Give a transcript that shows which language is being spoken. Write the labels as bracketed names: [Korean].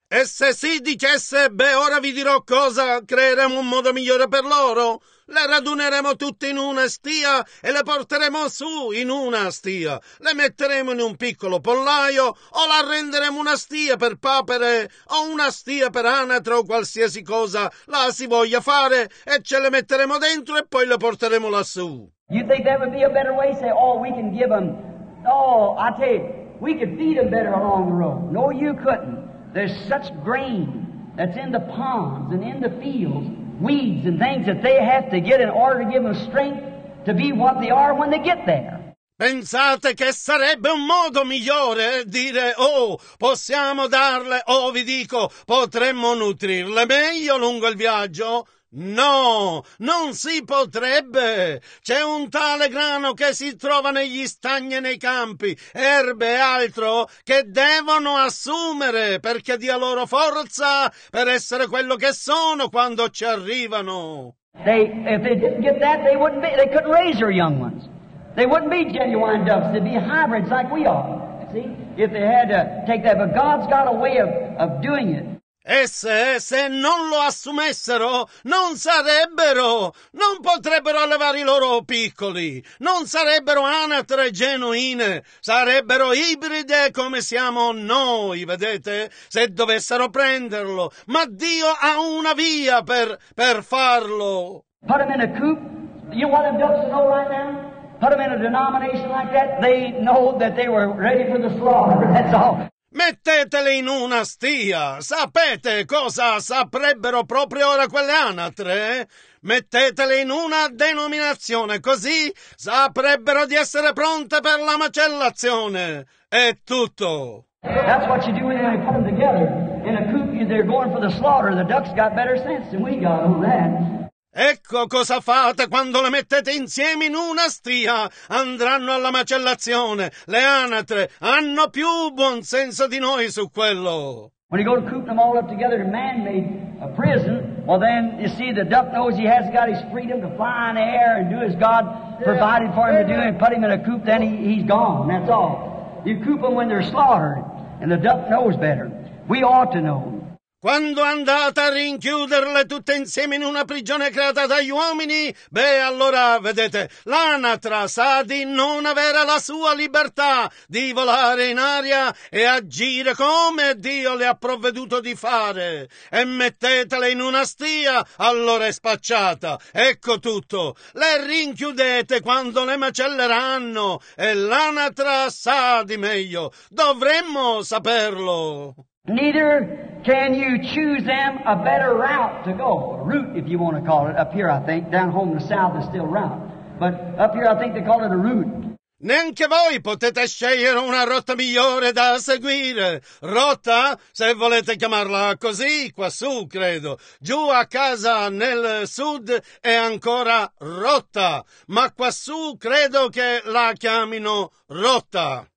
[Italian] E se si dicesse, beh, ora vi dirò cosa, creeremo un modo migliore per loro. Le raduneremo tutte in una stia e le porteremo su in una stia. Le metteremo in un piccolo pollaio o la renderemo una stia per papere o una stia per anatra o qualsiasi cosa la si voglia fare e ce le metteremo dentro e poi le porteremo lassù. [English] You think that would be a better way? Say, oh, we can give them... Oh, I tell you, we could feed them better along the road. No, you couldn't. There's such grain that's in the ponds and in the fields, weeds and things that they have to get in order to give them strength to be what they are when they get there. [Italian] Pensate che sarebbe un modo migliore dire, oh, possiamo darle, oh, vi dico, potremmo nutrirle meglio lungo il viaggio? No, non si potrebbe. C'è un tale grano che si trova negli stagni e nei campi, erbe e altro, che devono assumere perché dia loro forza per essere quello che sono quando ci arrivano. [English] If they didn't get that, they couldn't raise your young ones. They wouldn't be genuine doves, they'd be hybrids like we are. See? If they had to take that, but God's got a way of doing it. [Italian] Esse, se non lo assumessero, non sarebbero, non potrebbero allevare i loro piccoli, non sarebbero anatre genuine, sarebbero ibride come siamo noi, vedete, se dovessero prenderlo. Ma Dio ha una via per farlo. [English] Put them in a coop, you know what the ducks know right now? Put them in a denomination like that, they know that they were ready for the slaughter, that's all. [Italian] Metteteli in una stia. Sapete cosa saprebbero proprio ora quelle anatre? Metteteli in una denominazione, così saprebbero di essere pronte per la macellazione. È tutto. [English] That's what you do when you put them together. In a coop, they're going for the slaughter. The ducks got better sense than we got on that. [Italian] Ecco cosa fate quando le mettete insieme in una stia. Andranno alla macellazione. Le anatre hanno più buon senso di noi su quello. [English] When you go to coop them all up together in man-made prison, well then, you see, the duck knows he has got his freedom to fly in the air and do as God provided for him to do and put him in a coop, then he's gone. That's all. You coop them when they're slaughtered, and the duck knows better. We ought to know. [Italian] Quando andate a rinchiuderle tutte insieme in una prigione creata dagli uomini, beh, allora, vedete, l'anatra sa di non avere la sua libertà di volare in aria e agire come Dio le ha provveduto di fare. E mettetele in una stia, allora è spacciata. Ecco tutto. Le rinchiudete quando le macelleranno e l'anatra sa di meglio. Dovremmo saperlo. [English] Neither can you choose them a better route to go. Route, if you want to call it. Up here, I think. Down home in the south is still route. But up here, I think they call it a route. [Italian] Neanche voi potete scegliere una rotta migliore da seguire. Rotta, se volete chiamarla così, quassù, credo. Giù a casa nel sud è ancora rotta. Ma quassù credo che la chiamino rotta.